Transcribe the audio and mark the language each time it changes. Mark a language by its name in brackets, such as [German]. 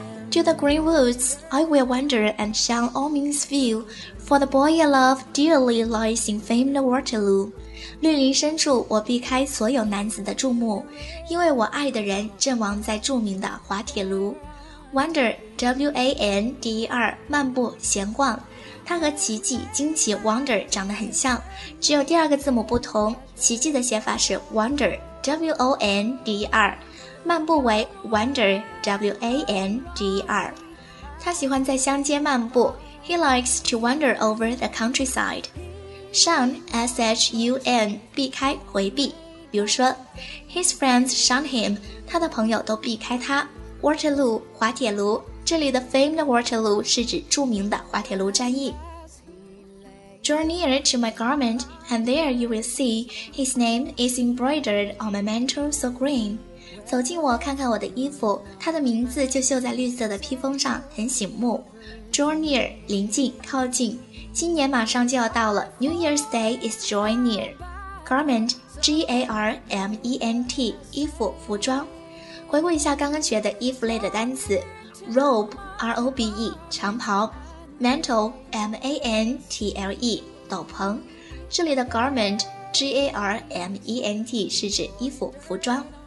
[English] To the green woods, I will wander and shun all men's view, for the boy I love dearly lies in famed Waterloo. [Chinese] 绿林深处，我避开所有男子的注目，因为我爱的人阵亡在著名的滑铁卢。 Wander, W-A-N-D-E-R, 漫步、闲逛。它和奇迹、惊奇、Wonder 长得很像，只有第二个字母不同。奇迹的写法是 Wander, W-O-N-D-E-R, 漫步为 Wander, W-A-N-D-E-R。他喜欢在乡间漫步。 [English] He likes to wander over the countryside. [Chinese] Shun, S-H-U-N, 避开、回避。比如说 [English] His friends shun him, [Chinese] 他的朋友都避开他。 Waterloo, 滑铁卢，这里的 famed Waterloo 是指著名的滑铁卢战役。 [English] Draw near to my garment, and there you will see his name is embroidered on my mantle so green. [Chinese] 走近我，看看我的衣服，他的名字就绣在绿色的披风上，很醒目。 Draw near, 临近、靠近。今年马上就要到了， [English] New Year's Day is drawing near. [Chinese] Garment, G-A-R-M-E-N-T, 衣服、服装。回顾一下刚刚学的衣服类的单词， Robe, R-O-B-E, 长袍。 Mantle, M-A-N-T-L-E, 斗篷。这里的 Garment, G-A-R-M-E-N-T, 是指衣服、服装。